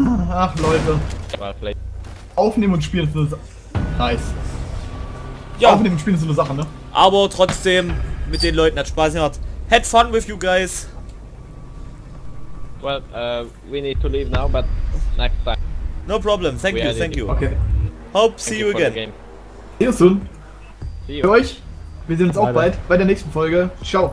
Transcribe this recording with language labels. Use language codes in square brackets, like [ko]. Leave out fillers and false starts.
[de] Ach, Leute. Aufnehmen und spielen ist eine Sache. [en] Nice. [de] Ja. Aufnehmen und spielen ist eine Sache, ne? Aber trotzdem, mit den Leuten hat Spaß gemacht. [en] Had fun with you guys. Well, we need to leave now, but next time. No problem, thank you, thank you. Okay. Hope, see you again. See you soon. See you. [de] Für euch, wir sehen uns auch bald bei der nächsten Folge. Ciao.